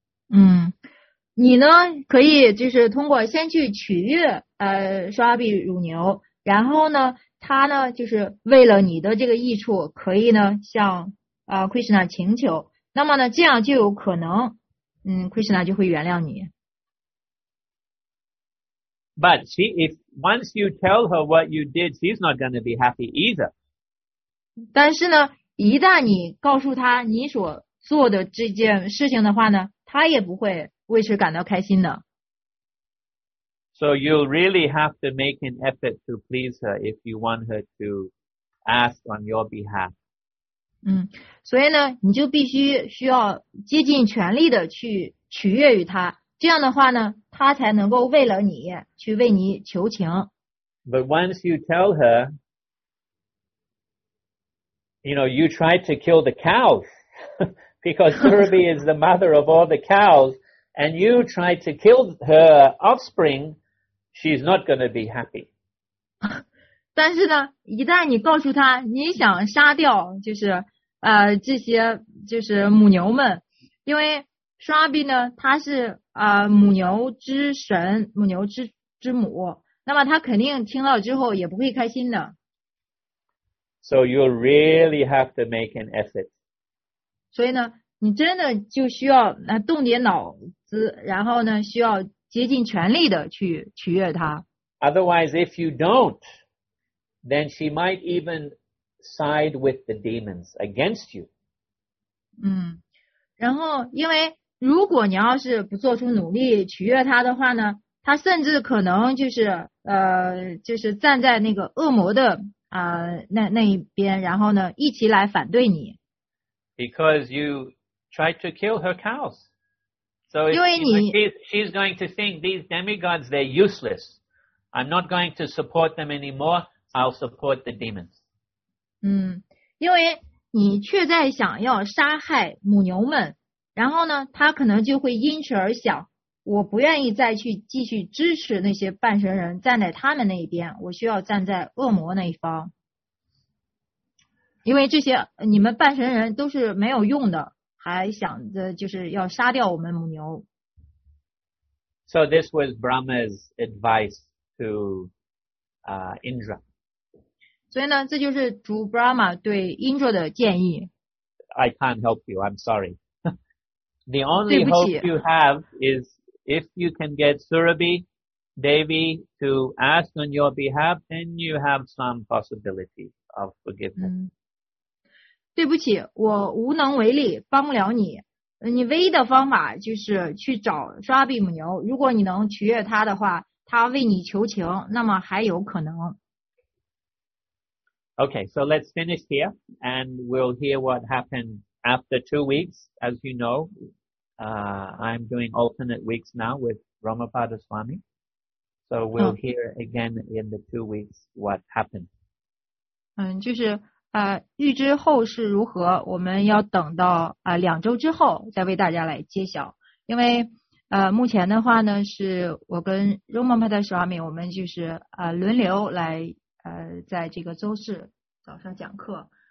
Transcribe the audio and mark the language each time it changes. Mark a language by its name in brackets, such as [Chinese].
[Chinese] 嗯，你呢可以就是通过先去取悦刷比乳牛，然后呢，他呢就是为了你的这个益处，可以呢向Krishna 请求，那么呢这样就有可能，嗯 ，Krishna 就会原谅你。 [English] But she, if once you tell her what you did, she's not going to be happy either. [Chinese] 但是呢，一旦你告诉她你所做的这件事情的话呢，她也不会为此感到开心的。 [English] So you'll really have to make an effort to please her if you want her to ask on your behalf. [Chinese] 嗯，所以呢，你就必须需要竭尽全力的去取悦于她。这样的话呢，他才能够为了你去为你求情。 [English] But once you tell her, you know, you try to kill the cows because Durabhi is the mother of all the cows, and you try to kill her offspring, she's not going to be happy. [Chinese] 但是呢，一旦你告诉他你想杀掉，就是这些就是母牛们，因为刷比呢，他是母牛之神，母牛之母，那么他肯定听到之后也不会开心的。 [English] So you really have to make an effort. [Chinese] 所以呢，你真的就需要动点脑子，然后呢，需要竭尽全力的去取悦他。 [English] Otherwise, if you don't, then she might even side with the demons against you. [Chinese] 嗯，然后因为。如果你要是不做出努力取悦他的话呢，他甚至可能就是就是站在那个恶魔的那一边，然后呢一起来反对你。 [English] Because you tried to kill her cows, so it, [Chinese] 因为你 [English] she's going to think these demigods they're useless. I'm not going to support them anymore. I'll support the demons. [Chinese] 嗯，因为你却在想要杀害母牛们。然后呢，他可能就会因此而想，我不愿意再去继续支持那些半神人站在他们那一边，我需要站在恶魔那一方，因为这些你们半神人都是没有用的，还想着就是要杀掉我们母牛。 [English] So this was Brahma's advice to Indra. [Chinese] 所以呢，这就是主 Brahma 对 Indra 的建议。 [English] I can't help you. I'm sorry. The only hope you have is if you can get Surabhi, Devi to ask on your behalf, then you have some possibility of forgiveness.、 [Chinese] 嗯、对不起，我无能为力，帮不了你。你唯一的方法就是去找刷比母牛。如果你能取悦他的话，他为你求情，那么还有可能。 [English] Okay, so let's finish here, and we'll hear what happens. After 2 weeks, as you know, I'm doing alternate weeks now with Ramapada Swami. So we'll hear again in the 2 weeks what happened. [Chinese] 嗯，就是预知后事如何，我们要等到两周之后再为大家来揭晓。因为目前的话呢，是我跟 Ramapada Swami， 我们就是轮流来在这个周四早上讲课。